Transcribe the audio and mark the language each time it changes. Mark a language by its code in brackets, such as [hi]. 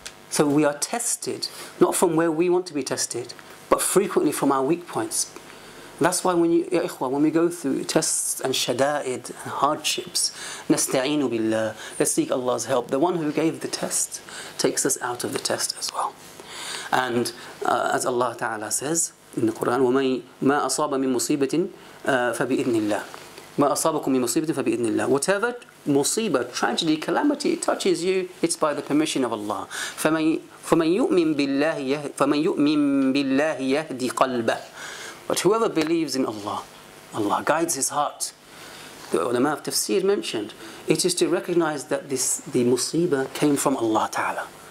[en] So we are tested, not from where we want to be tested, but frequently from our weak points. That's why when we go through tests and shada'id and hardships, nasta'inu billah, let's seek Allah's help. The one who gave the test takes us out of the test as well. [ar] And as Allah Ta'ala says in the Quran, وَمَا أَصَابَ مِن مُصِيبَةٍ فَبِإِذْنِ اللَّهِ مَا أَصَابَكُم مِّن مُصِيبَةٍ فَبِإِذْنِ اللَّهِ. [en] Whatever musibah, tragedy, calamity it touches you, it's by the permission of Allah. [ar] فَمَن يُؤْمِن بِاللَّهِ يَهْدِ قَلْبَهُ. [en] But whoever believes in Allah, Allah guides his heart. The ulama of tafsir mentioned, it is to recognize that the musibah came from Allah Ta'ala.